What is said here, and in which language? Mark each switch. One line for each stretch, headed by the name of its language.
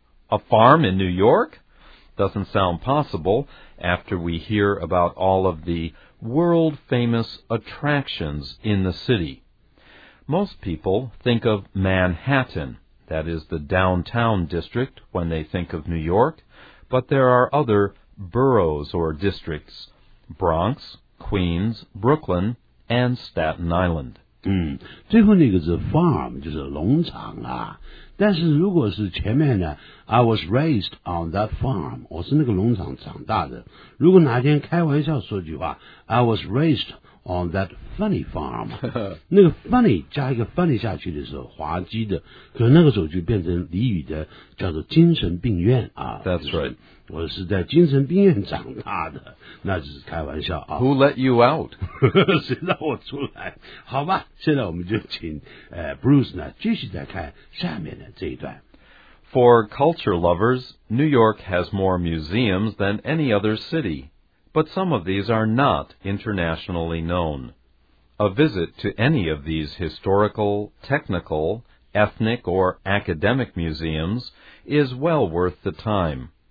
English: A farm in New York? Doesn't sound possible after we hear about all of the world-famous attractions in the city. Most people think of Manhattan, that is the downtown district, when they think of New York, but there are other boroughs or districts, Bronx, Queens, Brooklyn, and Staten Island.
Chinese: 嗯，最后那个是 farm 就是农场啊但是如果是前面呢
English: I was raised on that farm
Chinese: 我是那个农场长大的如果哪天开玩笑说句话
English: I was raised on that funny farm.
Chinese: 那个 funny 加一个 funny 下去的时候，滑稽的，可那个时候就变成俚语的叫做精神病院啊。
English: That's right.
Chinese: 我是在精神病院长大的，那只是开玩笑啊。
English: Who let you out?
Chinese: 谁让我出来？好吧，现在我们就请Bruce 呢继续再看下面的这一段。
English: For culture lovers, New York has more museums than any other city, but some of these are not internationally known. A visit to any of these historical, technical, ethnic, or academic museums is well worth the time.